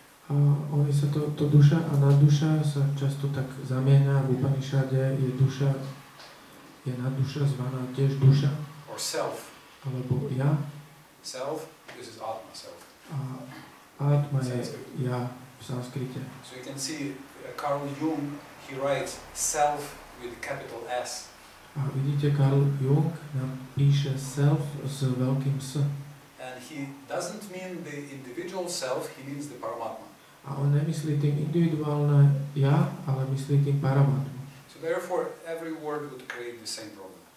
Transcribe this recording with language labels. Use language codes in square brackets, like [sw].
[sk] A oni sa to duša a nadduša sa často tak zamieňa v Upanishade, je duša, je nadduša zvaná tiež duša. [en] Or self. [sk] Alebo ja. [en] Self, this is Atma, self. [sk] A Atma je ja v sanskrite. [en] So you can see Carl Jung, he writes self with capital S. [sk] A vidíte, Carl Jung napíše self s veľkým S. [en] And he doesn't mean the individual self, he means the Paramatma. [sk] A on nemyslí tým individuálne ja, ale myslí tým Paramatma. [en] So therefore every word would create the same problem.